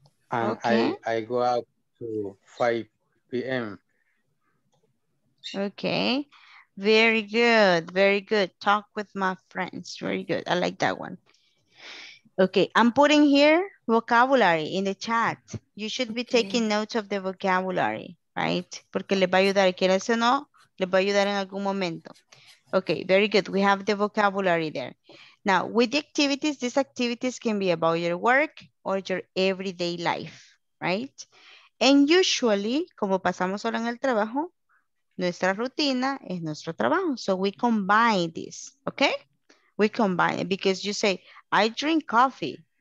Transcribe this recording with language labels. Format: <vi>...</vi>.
<en>And okay. I go out to 5 p.m. Okay. Very good, very good. Talk with my friends, very good. I like that one. Okay, I'm putting here vocabulary in the chat. You should be taking notes of the vocabulary, right?</en> <es>Porque les va a ayudar, quieras o no, les va a ayudar en algún momento.</es> <en>Okay, very good. We have the vocabulary there. Now, with the activities, these activities can be about your work or your everyday life, right? And usually,</en> <es>como pasamos solo en el trabajo, nuestra rutina es nuestro trabajo.</es> <en>So we combine this, okay? We combine it because you say, I drink coffee.</en>